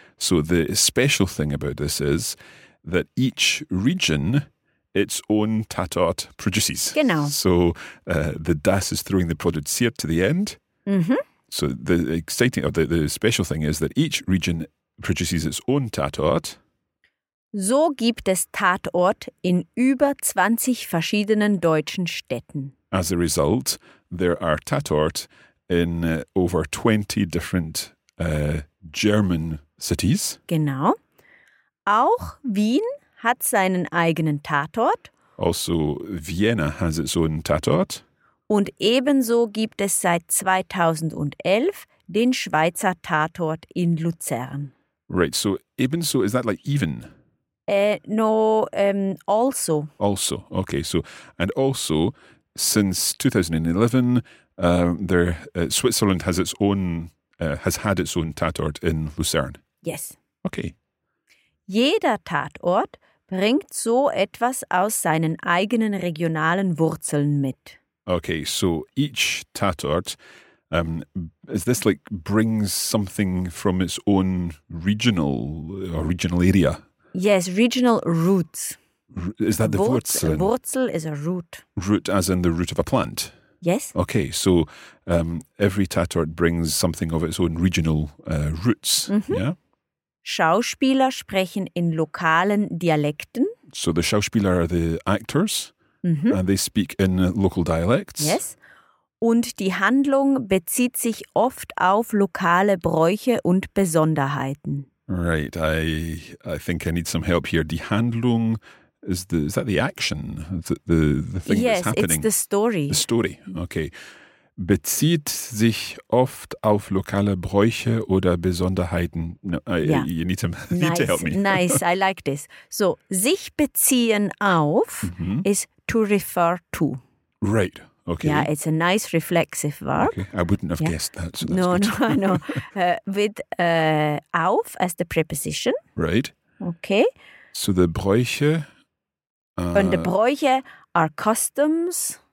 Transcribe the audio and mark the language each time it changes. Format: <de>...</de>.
<en>So the special thing about this is that each region its own Tatort produces.</en> <de>Genau.</de> <en>So the Das is throwing the produziert to the end. Mm-hmm. So the exciting, or the special thing is that each region produces its own Tatort.</en> <de>So gibt es Tatort in über 20 verschiedenen deutschen Städten.</de> <en>As a result, there are Tatort in over 20 different German cities.</en> <de>Genau. Auch Wien hat seinen eigenen Tatort.</de> <en>Also Vienna has its own Tatort.</en> <de>Und ebenso gibt es seit 2011 den Schweizer Tatort in Luzern.</de> <en>Right, so</en> <de>ebenso,</de> <en>is that like even? No, also. Also, okay. So, and also, since 2011, Switzerland has its own, has had its own Tatort in Luzern. Yes. Okay.</en> <de>Jeder Tatort bringt so etwas aus seinen eigenen regionalen Wurzeln mit.</de> <en>Okay, so each Tatort, is this like brings something from its own regional area? Yes, regional roots. Is that the Wurzeln? Wurzel is a root. Root as in the root of a plant? Yes. Okay, so every Tatort brings something of its own regional roots, mm-hmm. yeah?</en> <de>Schauspieler sprechen in lokalen Dialekten.</de> <en>So the Schauspieler are the actors, mm-hmm. and they speak in local dialects. Yes.</en> <de>Und die Handlung bezieht sich oft auf lokale Bräuche und Besonderheiten.</de> <en>Right, I think I need some help here.</en> <de>Die Handlung,</de> <en>is that the action, the thing yes, that's happening? Yes, it's the story. The story, okay.</en> <de>Bezieht sich oft auf lokale Bräuche oder Besonderheiten.</de> <en>No, yeah. You need to help me. Nice, I like this.</en> <de>So, sich beziehen auf mm-hmm.</de> <en>is to refer to. Right, okay. Yeah, it's a nice reflexive verb. Okay. I wouldn't have guessed that. So that's No. With auf as the preposition. Right. Okay. So the Bräuche. And the Bräuche are customs.</en>